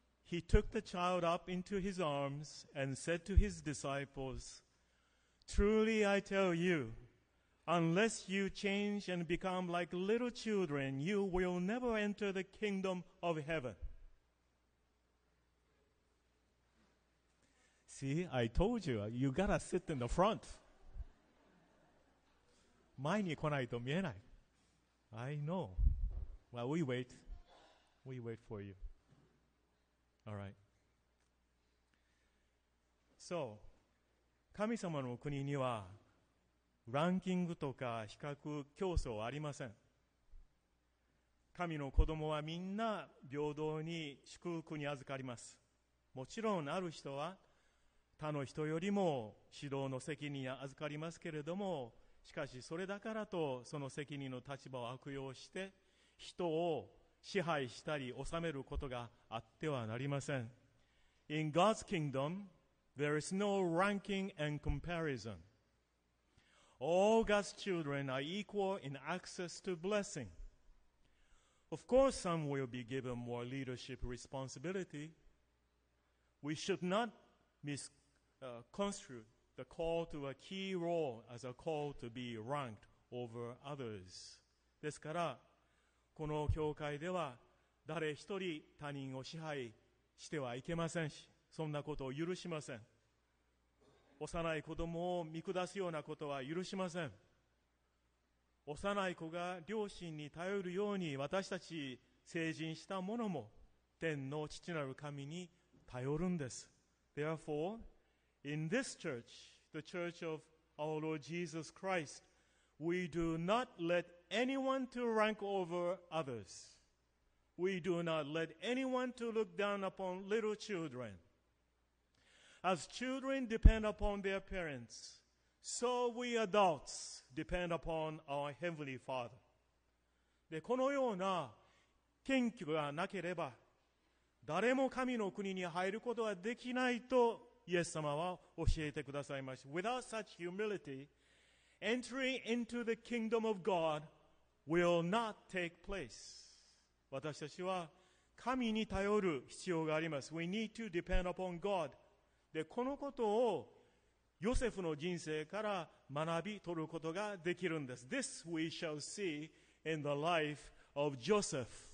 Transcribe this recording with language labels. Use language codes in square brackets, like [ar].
[en] He took the child up into his arms and said to his disciples, Truly I tell youUnless you change and become like little children, you will never enter the kingdom of heaven. See, I told you, you gotta sit in the front. [ja] 前に来ないと見えない。 [en] I know. Well, we wait. We wait for you. All right. [ja] So, 神様の国にはランキングとか比較競争はありません。神の子供はみんな平等に祝福に預かります。もちろんある人は他の人よりも指導の責任を預かりますけれども、しかしそれだからとその責任の立場を悪用して人を支配したり治めることがあってはなりません。 [en] In God's kingdom, there is no ranking and comparison. All God's children are equal in access to blessing. Of course, some will be given more leadership responsibility. We should not misconstrue the call to a key role as a call to be ranked over others. [ja] ですから、この教会では誰一人他人を支配してはいけませんし、そんなことを許しません。幼い子供を見下すようなことは許しません。幼い子が両親に頼るように、私たち成人した者も天の父なる神に頼るんです。 [en] Therefore, in this church, the church of our Lord Jesus Christ, we do not let anyone to rank over others. We do not let anyone to look down upon little children. As children depend upon their parents, so we adults depend upon our Heavenly Father. [ja] で、このような謙虚がなければ、誰も神の国に入ることはできないと、イエス様は教えてくださいました。 [en] Without such humility, entry into the kingdom of God will not take place. [ja] 私たちは神に頼る必要があります。 [en] We need to depend upon God. [ja] で、このことをヨセフの人生から学び取ることができるんです。 [en] This we shall see in the life of Joseph.